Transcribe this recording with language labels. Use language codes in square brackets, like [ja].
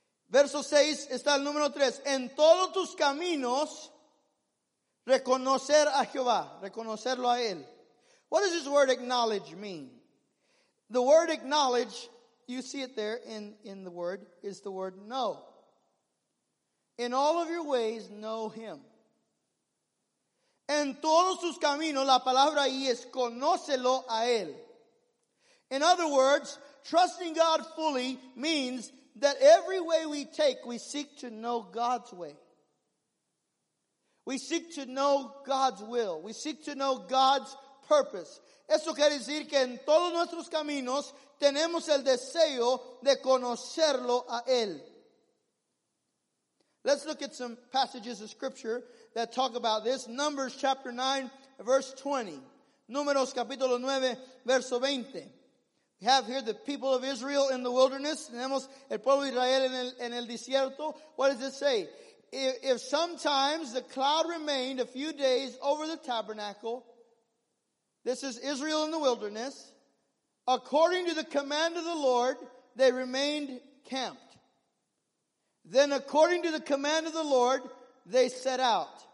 [es] Verso 6 está el número 3. En todos tus caminos, reconocer a Jehová. Reconocerlo a Él. [en] What does this word acknowledge mean? The word acknowledge you see it there in the word, is the word know. In all of your ways, know him. [es] En todos sus caminos, la palabra ahí es conócelo a él. [en] In other words, trusting God fully means that every way we take, we seek to know God's way. We seek to know God's will. We seek to know God's purpose. [es] Eso quiere decir que en todos nuestros caminos tenemos el deseo de conocerlo a él. [en] Let's look at some passages of scripture that talk about this. Numbers chapter 9, verse 20. [es] Números capítulo 9, verso 20. [en] We have here the people of Israel in the wilderness. [es] Tenemos el pueblo de Israel en el desierto. [en] What does it say? If sometimes the cloud remained a few days over the tabernacle, this is Israel in the wilderness, according to the command of the Lord, they remained camped. Then according to the command of the Lord, they set out.